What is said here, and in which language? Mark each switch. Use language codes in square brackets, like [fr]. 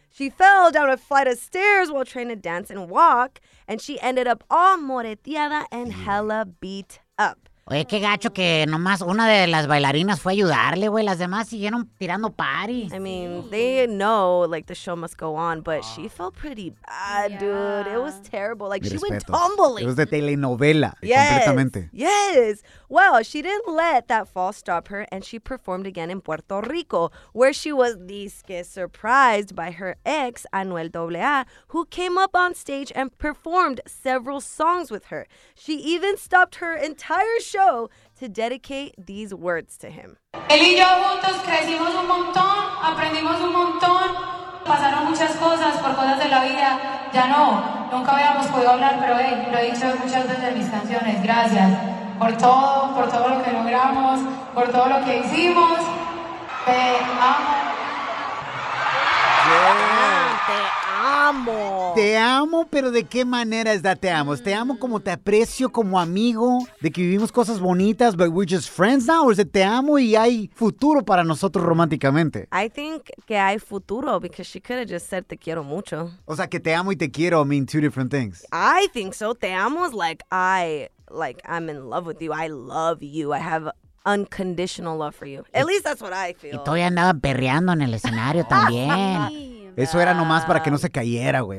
[en] She fell down a flight of stairs while trying to dance and walk, and she ended up all moreteada and hella beat up. [es] Oye, qué gacho que nomás una de las bailarinas fue a ayudarle, güey. Las demás siguieron tirando party. [en] I mean, they know, like, the show must go on, but she felt pretty bad, dude. It was terrible. Like, she went tumbling. It was [es] de telenovela, completamente. [en] Yes. Well, she didn't let that fall stop her, and she performed again in Puerto Rico, where she was disque surprised by her ex, Anuel AA, who came up on stage and performed several songs with her. She even stopped her entire show to dedicate these words to him. [es] Él y yo juntos crecimos un montón, aprendimos un montón, pasaron muchas cosas por cosas de la vida. Ya no, nunca habíamos podido hablar, pero hey, lo he dicho muchas veces en mis canciones. Gracias por todo lo que logramos, por todo lo que hicimos. Te amo. [en] Yeah. [es] Amo. Te amo, pero ¿de qué manera es that te amo? Te amo como te aprecio como amigo, de que vivimos cosas bonitas, [en] but we're just friends now, or is it [es] te amo y hay futuro para nosotros románticamente? [en] I think [es] que hay futuro, [en] because she could have just said [es] te quiero mucho. O sea, que te amo y te quiero [en] mean two different things. I think so. [es] Te amo [en] is like, I'm in love with you. I love you. I have unconditional love for you. At least that's what I feel. [es] Y todavía andaba perreando en el escenario también. Eso era nomás para que no se cayera, güey.